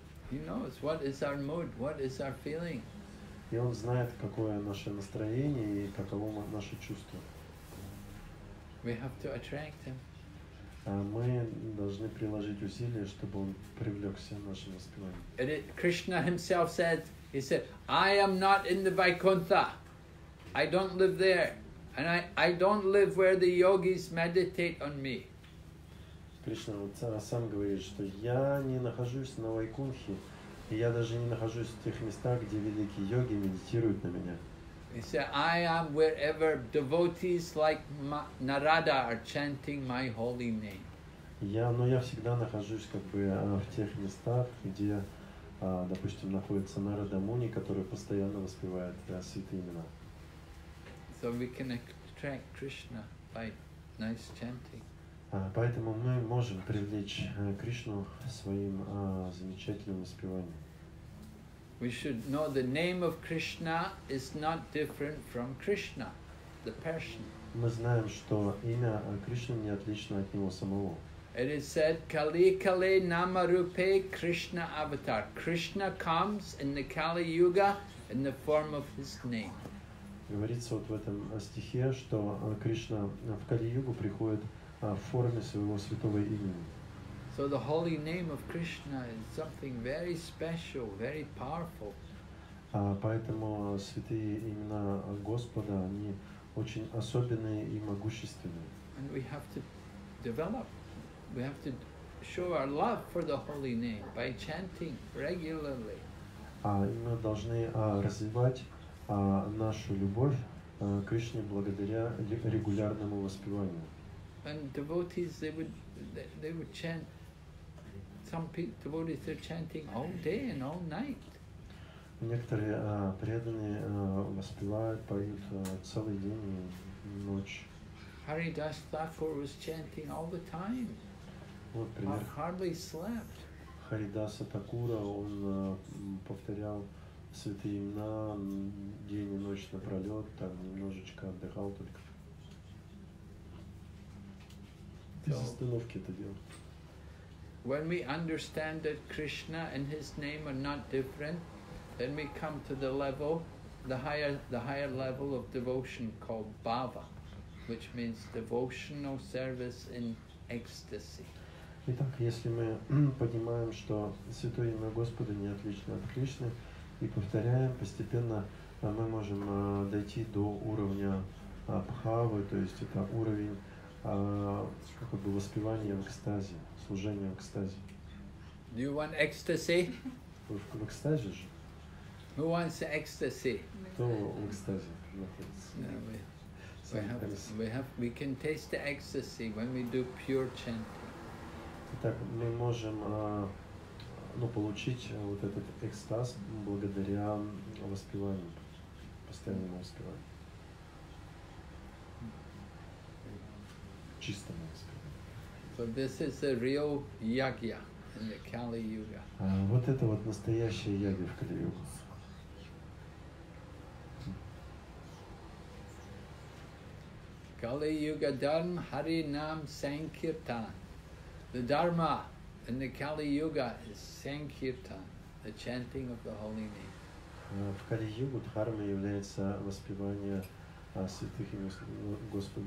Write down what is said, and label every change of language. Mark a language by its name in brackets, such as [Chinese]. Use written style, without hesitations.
[English] He knows what is our mood, what is our feeling. [Russian] И он знает, какое наше настроение и каково наше чувство. [English] We have to attract him. [Russian] Мы должны приложить усилия, чтобы он привлекся нашим воспеванием. [English] Krishna himself said, he said, I am not in the Vaikuntha. I don't live there. And I don't live where the yogis meditate on me. [Russian] Кришна сам говорит, что я не нахожусь на Вайкунхе. И я даже не нахожусь в тех местах, где великие йоги медитируют на меня. [English] He said, I am wherever devotees like Narada are chanting my holy name. [Russian] Я всегда нахожусь как бы в тех местах, где, допустим, находится Нарада Муни, который постоянно воспевает святые имена. [English] So we can attract Krishna by nice chanting. [Russian] Поэтому мы можем привлечь Кришну своим замечательным воспеванием. [English] We should know the name of Krishna is not different from Krishna, the person. [Russian] Мы знаем, что имя Кришны не отлично от него самого. [English] It is said, [Sanskrit] Kali Kale Namarupe Krishna Avatar. [English] Krishna comes in the Kali Yuga in the form of his name. [Russian] Говорится вот в этом стихе, что Кришна в Кали-Югу приходит в форме своего святого имени. [English] So the holy name of Krishna is something very special, very powerful. [Russian] Поэтому святые имена Господа, они очень особенные и могущественные. [English] And we have to develop, we have to show our love for the holy name by chanting regularly. [Russian] Мы должны развивать нашу любовь к Кришне благодаря регулярному воспеванию. [English] And devotees, they would chant some devotees are chanting all day and all night. [Russian] Некоторые преданные воспевают, поют целый день и ночь. [English] Haridas Thakur was chanting all the time. [Russian] Вот пример. [English] Hardly slept. [Russian] Харидаса Такура, он повторял святые имена день и ночь напролет, там немножечко отдыхал только. Без остановки это делал. [English] When we understand that Krishna and his name are not different, then we come to the level, the higher level of devotion called bhava, which means devotional service in ecstasy. [Russian] Итак, если мы понимаем, что святое имя Господа не отлично от Кришны, и повторяем постепенно, мы можем дойти до уровня бхавы, то есть это уровень как бы воспевания в экстазе, служения в экстазе. [English] Do you want ecstasy? [Russian] В экстазе же. [English] Who wants ecstasy? [Russian] Кто в экстазе находится? [English] We can taste the ecstasy when we do pure chanting. [Russian] Итак, мы можем получить вот этот экстаз благодаря воспеванию, постоянному воспеванию. Чистому воспеванию. [English] So this is the real yagya in the Kali Yuga. [Russian] Вот это вот настоящая ягья в Кали-Югу. [Sanskrit] Kali Yuga Dharma Hari Nam Sankirtan. [English] The Dharma in the Kali Yuga is Sankirtan, the chanting of the holy name. [Russian] В Кали Югу Дхарма является воспевание святых имен Господа.